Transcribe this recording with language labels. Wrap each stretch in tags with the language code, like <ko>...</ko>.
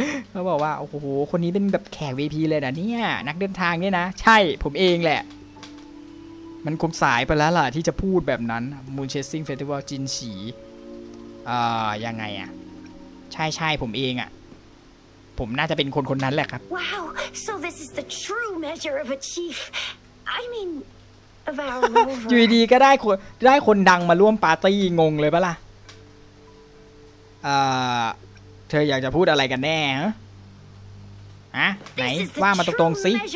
<th>เขาบอกว่าโอ้โหคนนี้เป็นแบบแขก VIP เลยนะเนี่ยนักเดินทางเนี่ยนะใช่ผมเองแหละมันคงสายไปแล้วล่ะที่จะพูดแบบนั้น Moon Chasing Festival จินฉีย่างไงอ่ะใช่ๆผมเองอ่ะผมน่าจะเป็นคนๆนั้นแหละครับ</th> <en>Wow so this is the true measure of a chief I mean of our</en> <th>อยู่ดีๆก็ได้คนดังมาร่วมปาร์ตี้งงเลยป่ะล่ะเธออยากจะพูดอะไรกันแน่ฮะอ่ะไหนว่ามาตรงๆสิ</th>